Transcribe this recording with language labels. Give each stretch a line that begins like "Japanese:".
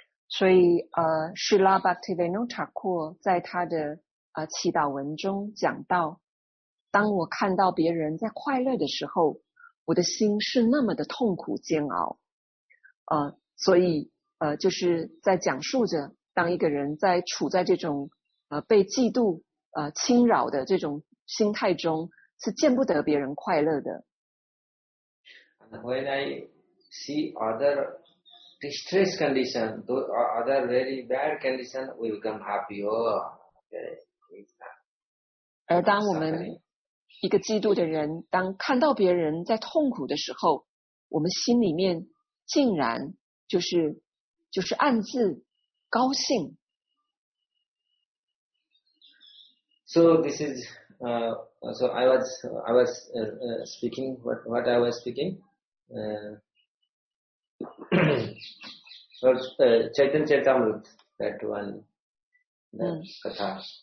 Chinese: 所以, Srila Bhaktivinoda Thakur 在他的 祈祷文中讲到, 当我看到别人在快乐的时候, 我的心是那么的痛苦煎熬, 所以, 就是在讲述着, 当一个人在处在这种被嫉妒侵扰的这种心态中, 是见不得别人快乐的。
English: And when I see other distress condition, other very bad condition, we become happy. Oh, okay.
Chinese: 而当我们一个嫉妒的人, 当看到别人在痛苦的时候, 我们心里面竟然就是暗自 高兴.
English: So this is so I was speaking what I was speaking. Chaitanya Charitamrita, that one, that katha.